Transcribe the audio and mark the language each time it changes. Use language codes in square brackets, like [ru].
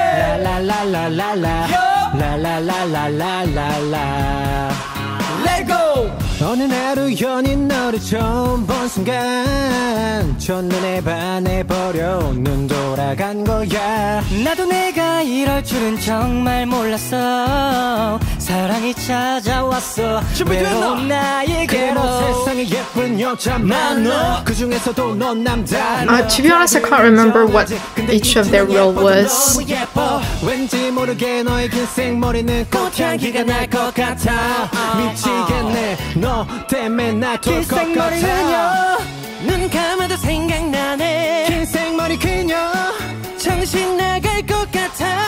[en] La la la la la la la la la la la la la. Let go. [ko] 저는 하루 연인 너를 처음 본 순간 첫눈에 반해버려 눈 돌아간 거야. 나도 내가 이럴 줄은 정말 몰랐어. 사랑이 찾아왔어 외로운 나에게로. 세상에 예쁜 여자 만나 그 중에서도 넌 남자. [en] To be honest, I can't remember what each of their role was. [ko] 왠지 모르게 너의 긴 생머리는 꽃향기가 날 것 같아. 미치겠네 너 때문에 나 돌 것 같아. 긴 생머리 그녀 눈 감아도 생각나네. 긴 생머리 그녀 정신 나갈 것 같아.